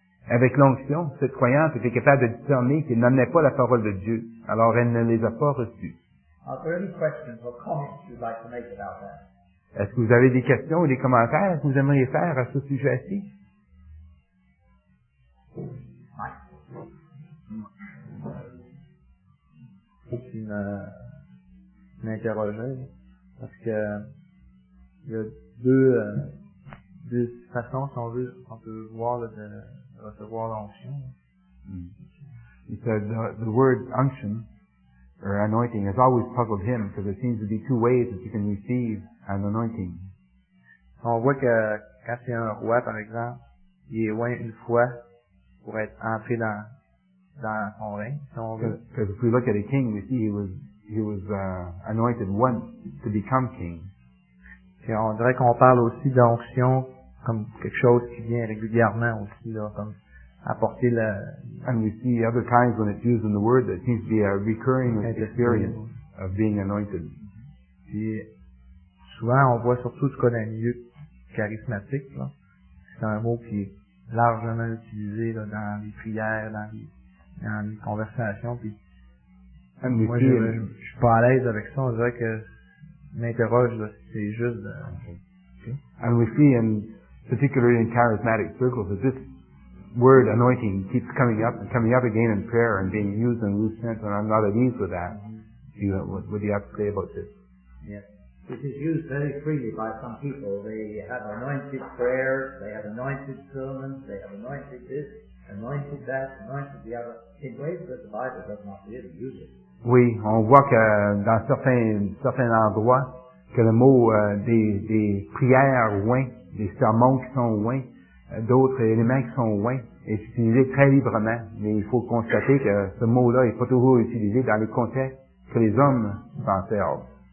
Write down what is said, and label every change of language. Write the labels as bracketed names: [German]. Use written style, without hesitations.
[French] Avec l'onction, cette croyante était capable de discerner qu'elle n'amenait pas la parole de Dieu, alors elle ne les a pas reçues. [English] Are there any questions or comments you'd like to make about that? [French] Est-ce que vous avez des questions ou des commentaires que vous aimeriez faire à ce sujet-ci? Oui. Je vais m'interroger, parce que il y a deux façons, si on veut, on peut voir là, de recevoir l'onction. [English] Mm. He said the word unction or anointing has always puzzled him because it seems to be two ways that you can receive an anointing. [French] On voit que quand c'est un roi, par exemple, il est oint une fois pour être entré dans son règne, si on veut. [English] Because if we look at a king, we see he was anointed once to become king. [French] Et on dirait qu'on parle aussi d'onction comme quelque chose qui vient régulièrement aussi, là, comme apporter le... [English] And we see other times when it's used in the word that seems to be a recurring experience of being anointed. [French] Puis, souvent, on voit surtout ce qu'on a mieux charismatique, là. C'est un mot qui est largement utilisé, là, dans les prières, dans les conversations, puis... [English] And [French] moi, je suis pas à l'aise avec ça, on dirait que je m'interroge, là, si c'est juste... [English] And we see in... particularly in charismatic circles, that this word anointing keeps coming up and coming up again in prayer and being used in a loose sense, and I'm not at ease with that. Mm-hmm. What do you have to say about this? Yes. This is used very freely by some people. They have anointed prayers, they have anointed sermons, they have anointed this, anointed that, anointed the other, in ways that the Bible does not really use it. [French] Oui, on voit que dans certains endroits, que le mot des prières oint, des sermons qui sont oints, d'autres éléments qui sont oints, est utilisé très librement. Mais il faut constater que ce mot-là n'est pas toujours utilisé dans les contextes que les hommes s'en servent.